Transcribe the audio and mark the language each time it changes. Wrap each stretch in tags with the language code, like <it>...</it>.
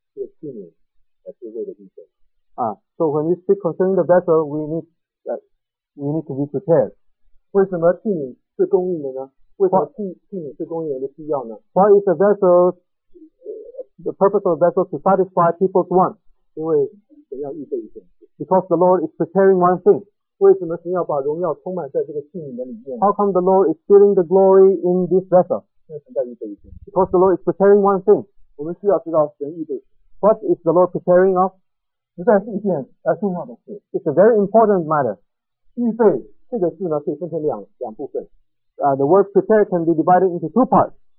<zh>所以我们讲到这个器皿的目的的时候，最重要的这个器皿，是为了预备。</zh> <en>So when we speak concerning the vessel, we need to be prepared.</en> <zh>为什么器皿是供应的呢？为什么器皿是供应人的需要呢？</zh> <en>Why is the vessel, the purpose of the vessel to satisfy people's want?</en> <zh>因为神要预备一件。</zh> <en>Because the Lord is preparing one thing.</en> <zh>为什么神要把荣耀充满在这个器皿的里面?</zh> <en>How come the Lord is filling the glory in this vessel?</en> <zh>因为神在预备一件。</zh> <en>Because the Lord is preparing one thing.</en> <zh>我们需要知道神预备。</zh> <en>What is the Lord preparing of?</en> <zh>实在是一件重要的事。</zh> <en>It's a very important matter.</en> <zh>预备这个字呢，可以分成两部分。</zh> <en>The word prepare can be divided into two parts.</en>